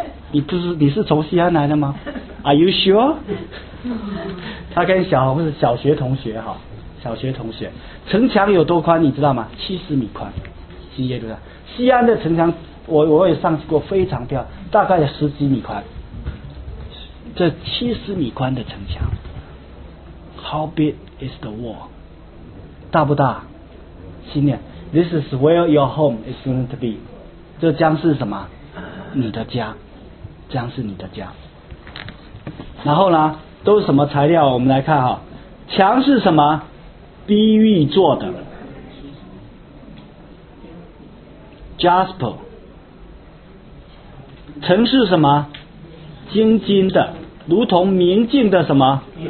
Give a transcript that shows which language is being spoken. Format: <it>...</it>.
<zh>你是从西安来的吗 ？</zh> <en>Are you sure？</en> <zh>他跟小红是小学同学哈，小学同学。城墙有多宽，你知道吗？70米宽，新耶路撒冷。西安的城墙。我也上去过，非常漂亮，大概有10几米宽，这70米宽的城墙。</zh> <en>How big is the wall？</en> <zh>大不大？</zh> <en>新年 This is where your home is going to be，</en> <zh>这将是什么？你的家，将是你的家。然后呢，都是什么材料？我们来看哈，墙是什么？碧玉做的 Jasper。城是什么？晶晶的，如同明镜的什么？</zh>